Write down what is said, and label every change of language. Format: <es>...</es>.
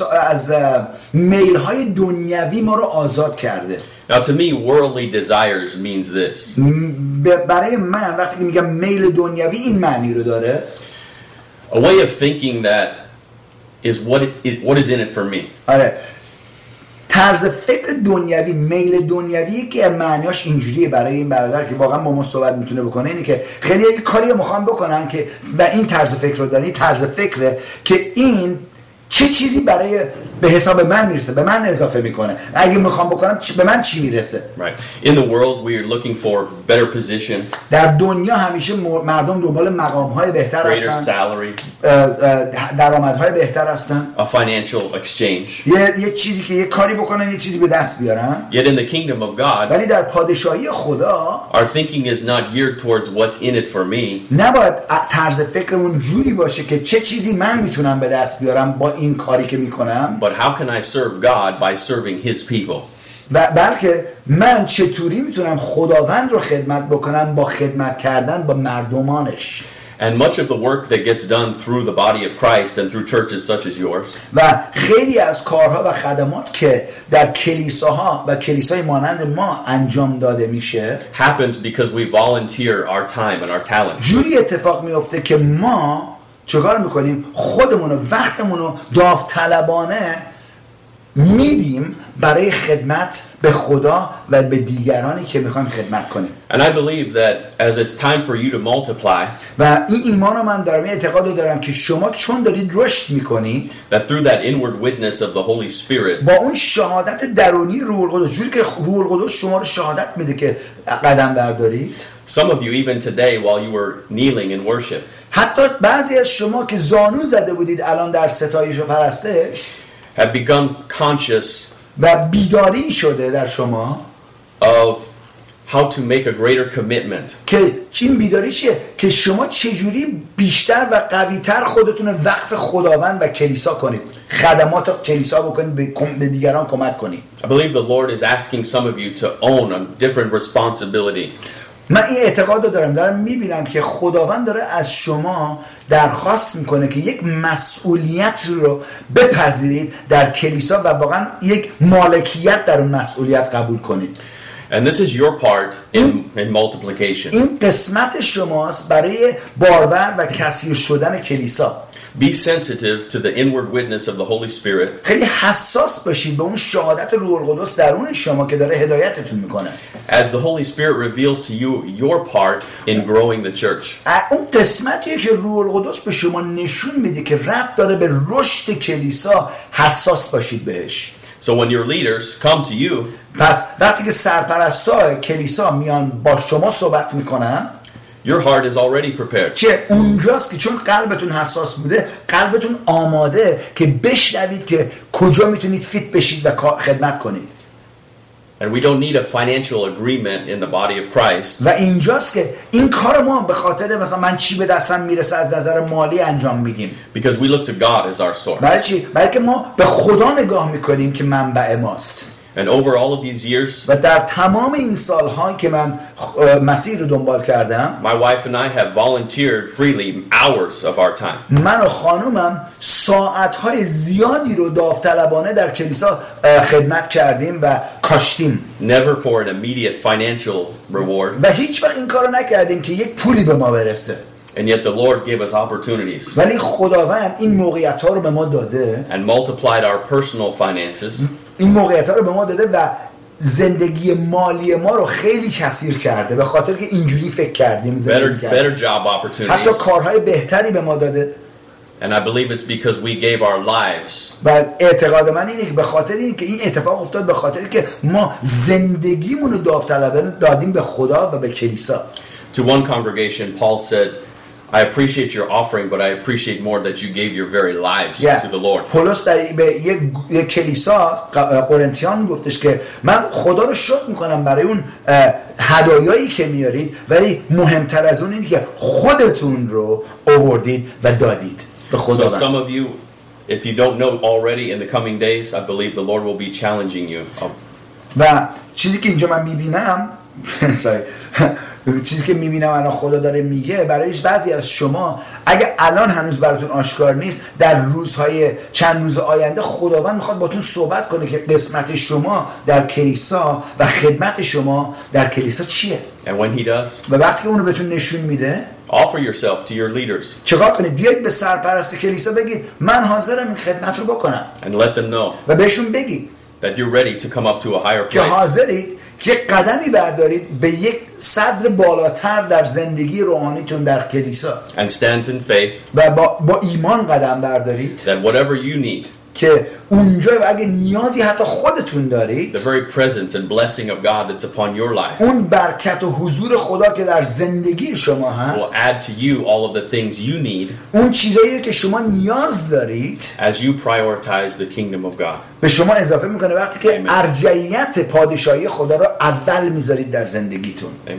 <fa>از میل‌های دنیوی ما رو آزاد کرده.</fa> <en>Now to me worldly desires means this.</en> <fa>برای من وقتی میگم میل دنیوی این معنی رو داره.</fa> <en>A way of thinking that is what is in it for me.</en> <fa>آره. طرز فکر دنیوی میل دنیوی که معنیش اینجوریه برای این برادر که واقعا با ما صحبت میتونه بکنه اینه که خیلی یه کاری میخوام بکنن که و این طرز فکر رو داره این طرز فکره که این چه چیزی برای به حساب من میرسه به من اضافه میکنه اگه میخوام بکنم به من چی میرسه</fa> <en>right. In the world, we are looking for better position.</en> <fa>در دنیا همیشه مردم دنبال مقام های بهتر</fa> <en>Greater</en> <fa>هستن</fa> <en>salary.</en> <fa>درامت های بهتر هستن</fa> <en>A financial exchange.</en> <fa>یه چیزی که یه کاری بکنن یه چیزی به دست بیارن</fa> <en>Yet in the kingdom of God,</en> <fa>ولی در پادشاهی خدا</fa> <en>our thinking is not geared towards what's in it for me.</en> <fa>نباید طرز فکرمون جوری باشه که چه چیزی من میتونم به دست بیارم با این کاری که میکنم</fa> <en>But how can I serve God by serving His people?</en> <fa>بلکه من چطوری میتونم خداوند رو خدمت بکنم با خدمت کردن با مردمانش؟</fa> <en>And much of the work that gets done through the body of Christ and through churches such as yours.</en> <fa>و خیلی از کارها و خدمات که در کلیساها و کلیسای مانند ما انجام داده میشه</fa> <en>happens because we volunteer our time and our talent.</en> <fa>جوری اتفاق میفته که ما چکار میکنیم خودمونو وقتمونو داوطلبانه میدیم برای خدمت به خدا و به دیگرانی که میخوان خدمت کنیم</fa> <en>And I believe that as it's time for you to multiply</en> <fa>و این ایمان رو من دارم این اعتقاد رو دارم که شما چون دارید رشد میکنید</fa> <en>that through that inward witness of the Holy Spirit</en> <fa>با اون شهادت درونی روح القدس جوری که روح القدس شما رو شهادت میده که قدم بردارید</fa> <en>some of you even today while you were kneeling in worship</en> <fa>حتی بعضی از شما که زانو زده بودید الان در ستایش و پرستش</fa> <en>have become conscious</en> <fa>و بیداری شده در شما</fa> <en>of how to make a greater commitment</en> <fa>که چین بیداری چیه که شما چجوری بیشتر و قویتر خودتون وقف خداوند و کلیسا کنید خدمات کلیسا بکنید به دیگران کمک کنید</fa> <en>I believe the Lord is asking some of you to own a different responsibility</en> <fa>من این اعتقاد رو دارم دارم میبینم که خداوند داره از شما درخواست میکنه که یک مسئولیت رو بپذیرید در کلیسا و واقعا یک مالکیت در اون مسئولیت قبول کنید</fa> <en>And this is your part in multiplication.</en> <fa>این قسمت شماست برای بارور و کثیر شدن کلیسا</fa> <en>Be sensitive to the inward witness of the Holy Spirit.</en> <fa>خیلی حساس باشید به اون شهادت روح القدس درون شما که داره هدایتتون میکنه.</fa> <en>As the Holy Spirit reveals to you your part in growing the church.</en> <fa>اون قسمتی که روح القدس به شما نشون میده که رب داره به رشد کلیسا حساس باشید بهش.</fa> <en>So when your leaders come to you,</en> <fa>پس وقتی که سرپرستا کلیسا میان با شما صحبت میکنن,</fa> <en>your heart is already prepared.</en> <fa>چه اونجاست که چون قلبتون حساس بوده, قلبتون آماده که بشنوید که کجا میتونید فیت بشید و خدمت کنید.</fa> <en>And we don't need a financial agreement in the body of Christ.</en> <fa>و اینجاست که این کار ما به خاطر مثلا من چی به دستم میرسه از نظر مالی انجام میدیم.</fa> <en>Because we look to God as our source.</en> <fa>بلکه ما به خدا نگاه میکنیم که منبع ماست.</fa> <en>And over all of these years,</en> <fa>و در تمام این سالهایی که من مسیر رو دنبال کردم,</fa> <en>my wife and I have volunteered freely hours of our time.</en> <fa>من و خانومم ساعت‌های زیادی رو داوطلبانه در کلیسا خدمت کردیم و کاشتیم.</fa> <en>Never for an immediate financial reward.</en> <fa>و هیچ وقت این کارو نکردیم که یک پولی به ما برسه.</fa> <en>And yet the Lord gave us opportunities.</en> <fa>ولی خداوند این موقعیت‌ها رو به ما داده.</fa> <en>And multiplied our personal finances.</en> <fa>این موقعیت‌ها رو به ما داده و زندگی مالی ما رو خیلی کثیر کرده به خاطر که اینجوری فکر کردیم زندگی کردیم.</fa> <en>Better job opportunities.</en> <fa>حتی کارهای بهتری به ما داده.</fa> <en>And I believe it's because we gave our lives.</en> <fa>و اعتقاد من اینه که به خاطر اینکه این اتفاق افتاد به خاطر که ما زندگیمون رو داوطلبانه دادیم به خدا و به کلیسا.</fa> <en>To one congregation Paul said, I appreciate your offering, but I appreciate more that you gave your very lives to the Lord.</en> <fa>پولس در یک کلیسا قرنتیان گفتش که من خدا رو شکر میکنم برای اون هدایایی که میارید, ولی مهمتر از اون اینه که خودتون رو آوردید و دادید به خدا.</fa> <en>So some of you, if you don't know already, in the coming days, I believe the Lord will be challenging you.</en> <fa>و چیزی که اینجا من میبینم,</fa> <en>sorry.</en> <fa>چیزی که میبینم الان خدا داره میگه برای بعضی از شما, اگر الان هنوز براتون آشکار نیست, در روزهای چند روز آینده خداوند میخواد باتون صحبت کنه که قسمت شما در کلیسا و خدمت شما در کلیسا چیه.</fa> <en>And when he does,</en> <fa>و وقتی اونو بهتون نشون میده,</fa> <en>offer yourself to your leaders.</en> <fa>چکار کنید؟ بیاید به سرپرست کلیسا بگید من حاضرم خدمت رو بکنم.</fa> <en>And let them know,</en> <fa>و بهشون بگید</fa> <en>that you're ready to come up to a higher place.</en> <fa>که حاضرید که قدمی بردارید به یک صدر بالاتر در زندگی روحانیتون در کلیسا.</fa> <en>And stand in faith.</en> <fa>و با ایمان قدم بردارید.</fa> <en>That whatever you need.</en> <fa>که اونجا اگه نیازی حتی خودتون دارید.</fa> <en>The very presence and blessing of God that's upon your life.</en> <fa>اون برکت و حضور خدا که در زندگی شما هست.</fa> <en>Will add to you all of the things you need.</en> <fa>اون چیزایی که شما نیاز دارید.</fa> <en>As you prioritize the kingdom of God.</en> <fa>به شما اضافه میکنه وقتی که ارجحیت پادشاهی خدا رو اول میذارید در زندگیتون.</fa>